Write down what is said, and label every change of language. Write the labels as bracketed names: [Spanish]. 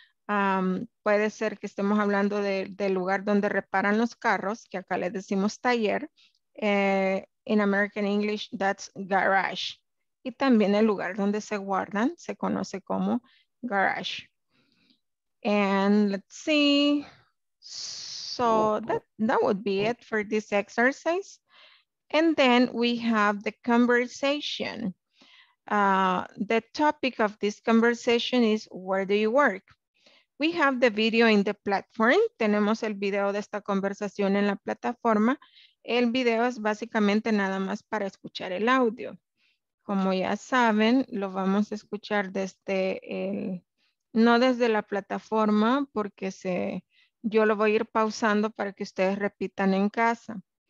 [Spanish] Puede ser que estemos hablando del lugar donde reparan los carros, que acá le decimos taller. [English] In American English, that's garage. [Spanish] Y también el lugar donde se guardan, se conoce como garage. [English] And let's see. So that would be it for this exercise. And then we have the conversation. The topic of this conversation is, where do you work? We have the video in the platform. [Spanish] Tenemos el video de esta conversación en la plataforma. El video es básicamente nada más para escuchar el audio. Como ya saben, lo vamos a escuchar desde el, no desde la plataforma, porque yo lo voy a ir pausando para que ustedes repitan en casa.